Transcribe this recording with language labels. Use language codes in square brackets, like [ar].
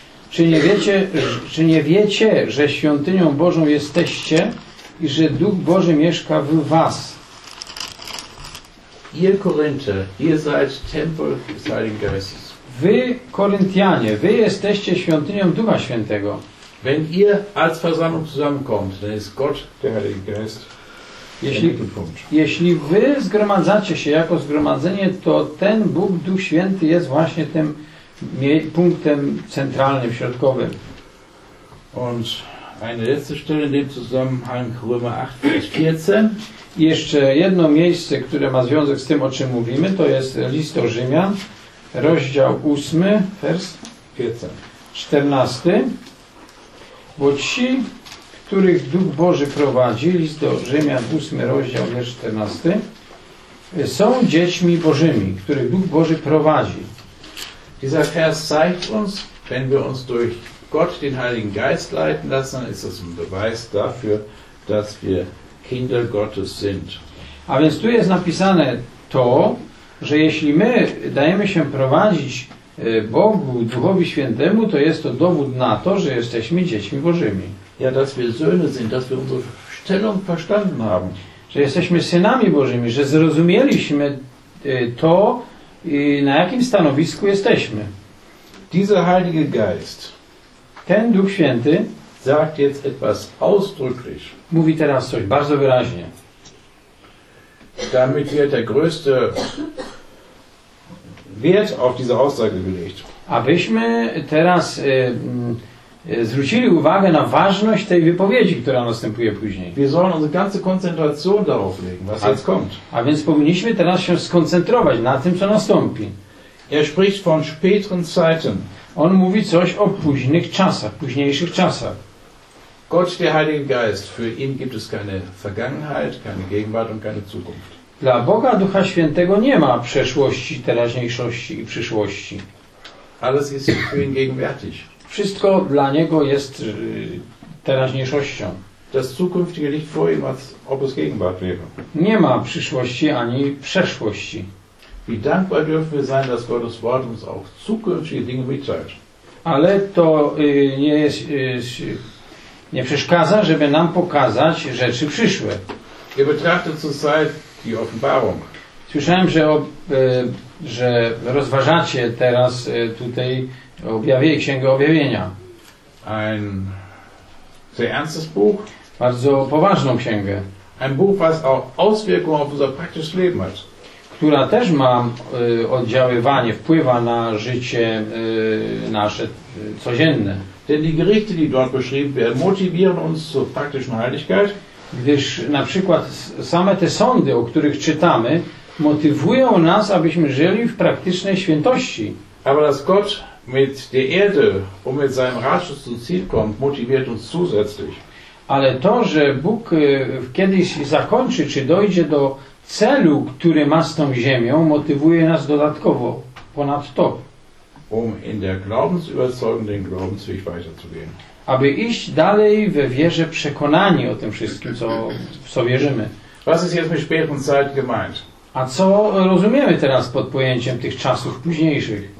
[pl] Czy nie wiecie, że świątynią Bożą jesteście i że Duch Boży mieszka w was? [de] Ihr Korinther, ihr seid Tempel des Heiligen Geistes. [pl] Wy, Koryntianie, wy jesteście świątynią Ducha Świętego. [de] Wenn ihr als Versammlung zusammenkommt, dann ist Gott der Heilige Geist. [pl] Jeśli wy zgromadzacie się jako zgromadzenie, to ten Bóg, Duch Święty jest właśnie tym punktem centralnym, środkowym. [de] Und eine letzte Stelle in dem Zusammenhang, Römer 8, Vers 14. [pl] I jeszcze jedno miejsce, które ma związek z tym, o czym mówimy, to jest List do Rzymian, rozdział 8, vers 14. Bo ci, których Duch Boży prowadzi, List do Rzymian, 8 rozdział, wiersz 14, są dziećmi Bożymi, których Duch Boży prowadzi. [de] Dieser Vers zeigt uns, wenn wir uns durch Gott, den Heiligen Geist leiten lassen, ist das ein Beweis dafür, dass wir Kinder Gottes sind. [pl] A więc tu jest napisane to, że jeśli my dajemy się prowadzić Bogu, Duchowi Świętemu, to jest to dowód na to, że jesteśmy dziećmi Bożymi. [de] Ja, dass wir Söhne sind, dass wir unsere Stellung verstanden haben. [pl] Że jesteśmy synami Bożymi, że zrozumieliśmy to, na jakim stanowisku jesteśmy. [de] Dieser Heilige Geist, [pl] ten Duch Święty, [de] sagt jetzt etwas ausdrücklich, [pl] mówi teraz coś bardzo wyraźnie. [de] Damit wird der größte Wert auf diese Aussage gelegt. [pl] Abyśmy teraz zwrócili uwagę na ważność tej wypowiedzi, która następuje później. [de] Wir sollen unsere ganze Konzentration darauf legen, was jetzt kommt. [pl] A więc powinniśmy teraz się skoncentrować na tym, co nastąpi. [de] Er spricht von späteren Zeiten. [pl] On mówi coś o późnych czasach, późniejszych czasach. [de] Gott, der Heilige Geist, für ihn gibt es keine Vergangenheit, keine Gegenwart und keine Zukunft. [pl] Dla Boga Ducha Świętego nie ma przeszłości, teraźniejszości i przyszłości. [de] Alles ist für ihn gegenwärtig. [pl] Wszystko dla niego jest teraźniejszością. [de] Das zukünftige liegt vor ihm, als ob es Gegenwart wäre. [pl] Nie ma przyszłości ani przeszłości. [de] Wie dankbar dürfen wir sein, dass Gottes Wort uns auch zukünftige Dinge mitteilt. [pl] Ale to nie jest, nie przeszkadza, żeby nam pokazać rzeczy przyszłe. [de] Ihr betrachtet zurzeit die Offenbarung. [pl] Słyszałem, że, że rozważacie teraz tutaj Księgę Objawienia. [de] Ein sehr ernstes Buch. [pl] Bardzo poważną księgę. [de] Ein Buch, was auch Auswirkungen auf unser praktisches Leben hat. [pl] Która też ma oddziaływanie, wpływa na życie nasze codzienne. [de] Denn die Gerichte, die dort beschrieben werden, motivieren uns zur praktischen Heiligkeit. [pl] Gdyż na przykład same te sądy, o których czytamy, motywują nas, abyśmy żyli w praktycznej świętości. [de] Aber dass Gott mit der Erde, um mit seinem Ratschluss zum Ziel kommt, motiviert uns zusätzlich. [pl] Ale to, że Bóg kiedyś zakończy, czy dojdzie do celu, który ma z tą ziemią, motywuje nas dodatkowo, ponad to. [de] Um in der Glaubensüberzeugung den Glaubensweg weiterzugehen. [pl] Aby iść dalej we wierze przekonani o tym wszystkim, co w co wierzymy. [de] Was ist jetzt mit späten Zeit gemeint? [pl] A co rozumiemy teraz pod pojęciem tych czasów późniejszych?